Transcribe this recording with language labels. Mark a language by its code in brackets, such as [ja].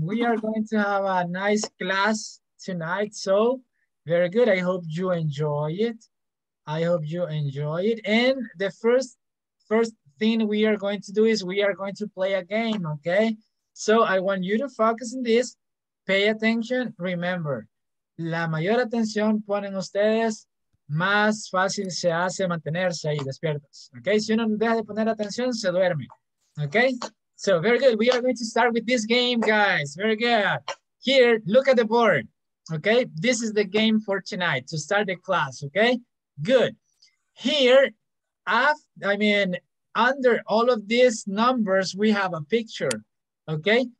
[en] We are going to have a nice class tonight. So, very good. I hope you enjoy it. I hope you enjoy it. And the first thing we are going to do is we are going to play a game, okay? So I want you to focus on this. Pay attention. [es] Remember, la mayor atención ponen ustedes, más fácil se hace mantenerse ahí despiertos. Okay? Si uno deja de poner atención, se duerme. [en] Okay? So very good. We are going to start with this game, guys. Very good. Here, look at the board. Okay? This is the game for tonight to start the class. Okay? Good. Here, under all of these numbers, we have a picture. Okay?